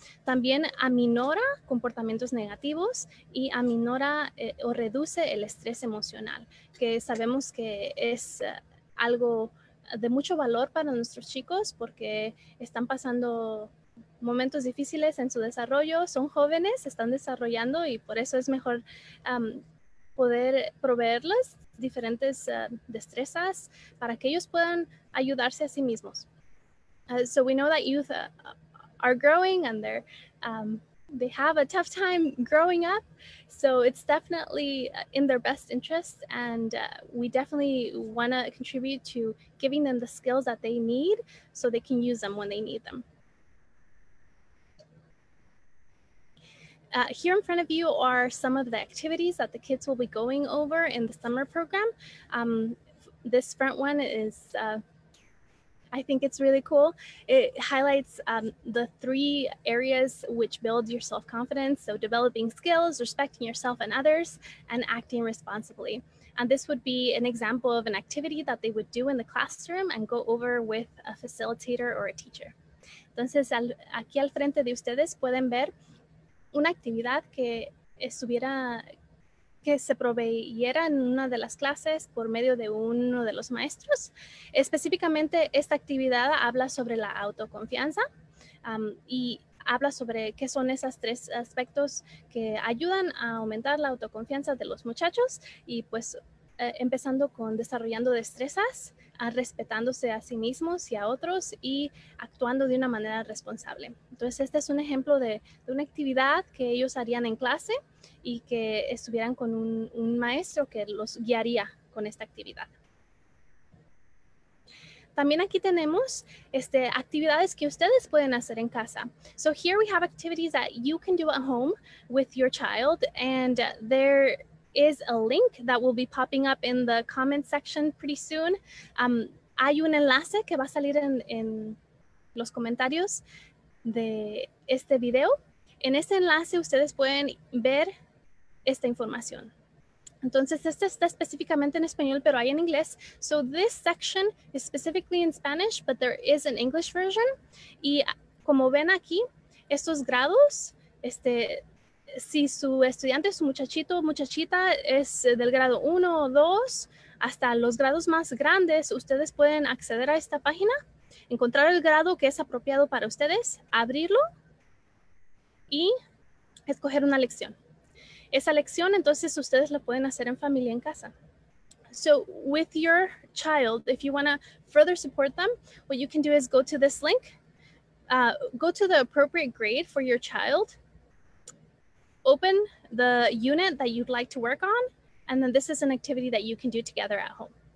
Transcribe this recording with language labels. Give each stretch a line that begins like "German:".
Spanish: También aminora comportamientos negativos y aminora o reduce el estrés emocional, que sabemos que es algo de mucho valor para nuestros chicos porque están pasando momentos difíciles en su desarrollo, son jóvenes, están desarrollando y por eso es mejor poder proveerles diferentes destrezas para que ellos puedan ayudarse a sí mismos.
English: So we know that youth are growing and they have a tough time growing up, so it's definitely in their best interest, and we definitely want to contribute to giving them the skills that they need so they can use them when they need them. Here in front of you are some of the activities that the kids will be going over in the summer program. This front one is, I think it's really cool. It highlights the three areas which build your self-confidence. So developing skills, respecting yourself and others, and acting responsibly. And this would be an example of an activity that they would do in the classroom and go over with a facilitator or a teacher.
Spanish: Entonces, aquí al frente de ustedes pueden ver una actividad que se proveyera en una de las clases por medio de uno de los maestros. Específicamente, esta actividad habla sobre la autoconfianza y habla sobre qué son esos tres aspectos que ayudan a aumentar la autoconfianza de los muchachos y pues empezando con desarrollando destrezas, respetándose a sí mismos y a otros y actuando de una manera responsable. Entonces, este es un ejemplo de una actividad que ellos harían en clase y que estuvieran con un maestro que los guiaría con esta actividad. También aquí tenemos actividades que ustedes pueden hacer en casa.
English: So here we have activities that you can do at home with your child, and they're is a link that will be popping up in the comment section pretty soon.
Spanish: Hay un enlace que va a salir en los comentarios de este video. En este enlace ustedes pueden ver esta información. Entonces, este está específicamente en español, pero hay en inglés.
English: So this section is specifically in Spanish, but there is an English version.
Spanish: Y como ven aquí, estos grados, si su estudiante, su muchachito o muchachita es del grado 1 o 2, hasta los grados más grandes, ustedes pueden acceder a esta página, encontrar el grado que es apropiado para ustedes, abrirlo y escoger una lección. Esa lección, entonces, ustedes la pueden hacer en familia, en casa.
English: So, with your child, if you want to further support them, what you can do is go to this link, go to the appropriate grade for your child, open the unit that you'd like to work on, and then this is an activity that you can do together at home.